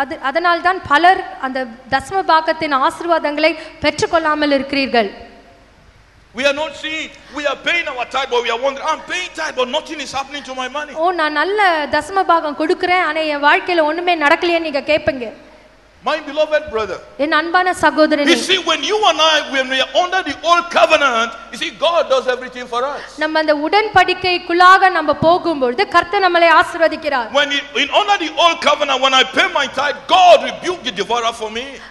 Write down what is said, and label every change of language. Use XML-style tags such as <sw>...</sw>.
<ta>அதனால் தான் பலர் அந்த தசம பாகத்தின் ஆசீர்வாதங்களை பெற்றுக் கொள்ளாமல் இருக்கிறீர்கள்.</ta> <en>We are not seeing, we are paying our tithe, but we are wondering, I'm paying tithe but nothing is happening to my money.</en> <ta>ஓ, நான் நல்ல தசம பாகம் கொடுக்கிறேன், ஆனா என் வாழ்க்கையில ஒண்ணுமே நடக்கலையே நீங்க கேப்பீங்க.</ta> <en>My beloved brother,</en> <ta>என் அன்பான சகோதரனே,</ta> <en>you see, when you and I, when we are under the old covenant, you see, God does everything for us.</en> <ta>நம்ம அந்த உடன்படிக்கைக்குள்ளாக நம்ம போகும்போது கர்த்தர் நம்மளை ஆசீர்வதிக்கிறார்.</ta> <en>When in under the old covenant, when I pay my tithe, God rebuke the devourer for me.</en>